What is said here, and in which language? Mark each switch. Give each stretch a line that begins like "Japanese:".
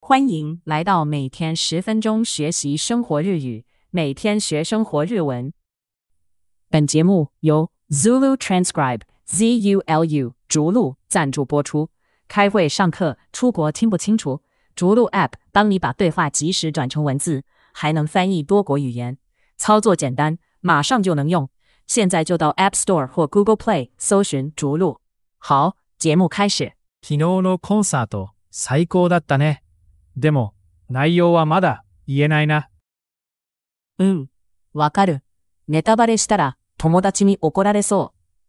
Chinese: 欢迎来到每天十分钟学习生活日语，每天学生活日文。本节目由 Zulu Transcribe ZULU 逐鹿赞助播出。开会、上课、出国听不清楚，逐鹿 App 帮你把对话及时转成文字，还能翻译多国语言，操作简单，马上就能用。现在就到 App Store 或 Google Play 搜寻逐鹿。好，节目开始。
Japanese: 昨日のコンサート最高だったね。でも、内容はまだ言えないな。うん、わかる。ネタバレしたら友達に怒られそう。